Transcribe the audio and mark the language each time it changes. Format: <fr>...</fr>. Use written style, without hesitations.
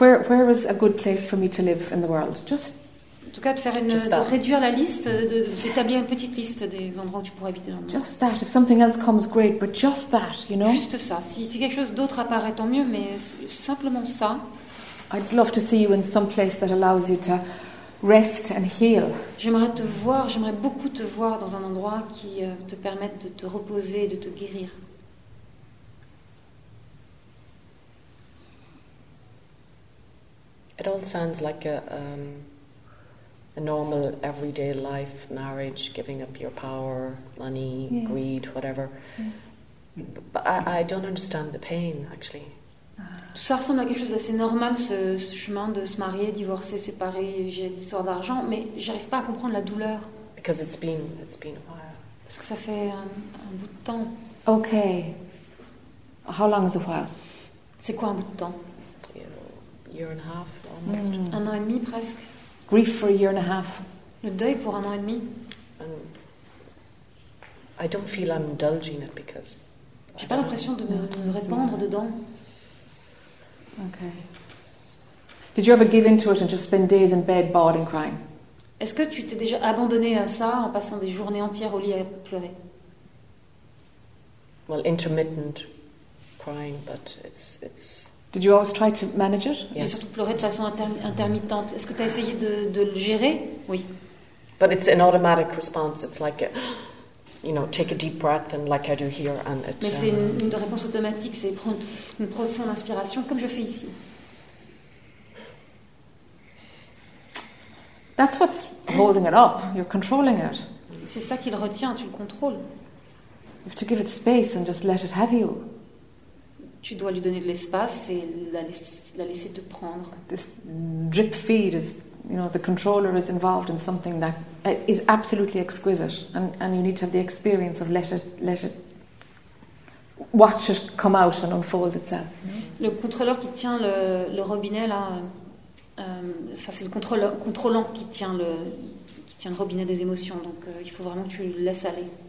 <en>Where was a good place for me to live in the world? Just.</en> <fr>En tout cas, de réduire la liste, d'établir une petite liste des endroits où tu pourrais habiter dans le monde.</fr> <en>Just that. If something else comes, great. But just that, you know.</en> <fr>Juste ça. Si quelque chose d'autre apparaît, tant mieux. Mais simplement ça.</fr> <en>I'd love to see you in some place that allows you to rest and heal.</en> <fr>J'aimerais beaucoup te voir dans un endroit qui te permette de te reposer, de te guérir.</fr> <en>It all sounds like a normal everyday life, marriage, giving up your power, money, yes. Greed, whatever. Yes. But I don't understand the pain, actually.</en> <fr>Ça ressemble à quelque chose d'assez normal, ce chemin de se marier, divorcer, séparer, j'ai l'histoire d'argent, mais j'arrive pas à comprendre la douleur.</fr> <en>Because it's been a while.</en> <fr>Parce que ça fait un bout de temps.</fr> <en>Okay. How long is a while?</en> <fr>C'est quoi un bout de temps?</fr> <en>Year and a half, almost.</en> <fr>Mm. Un an et demi, presque.</fr> <en>Grief for a year and a half.</en> <fr>Le deuil pour un an et demi.</fr> <en>I don't feel I'm indulging it because.</en> <fr>J'ai pas l'impression de me répandre dedans.</fr> <en>Okay. Did you ever give in to it and just spend days in bed, bored and crying? Est-ce que tu t'es déjà abandonné à ça en passant des journées entières au lit à pleurer? Well, intermittent crying, but it's. Did you always try to manage it? Yes.</en> <fr>Et surtout pleurer de façon intermittente. Est-ce que tu as essayé de le gérer? Oui.</fr> <en>But it's an automatic response. It's like you know, take a deep breath and like I do here and it.</en> <fr>Mais c'est une réponse automatique, c'est prendre une profonde inspiration comme je fais ici.</fr> <en>That's what's holding it up. You're controlling it.</en> <fr>C'est ça qui le retient, tu le contrôles.</fr> <en>You have to give it space and just let it have you.</en> <fr>Tu dois lui donner de l'espace et la laisser te prendre.</fr> <en>This drip feed is, you know, the controller is involved in something that is absolutely exquisite, and you need to have the experience of let it watch it come out and unfold itself.</en> <fr>Le contrôleur qui tient le robinet là, enfin c'est le contrôlant qui tient le robinet des émotions. Donc il faut vraiment que tu le laisses aller.</fr>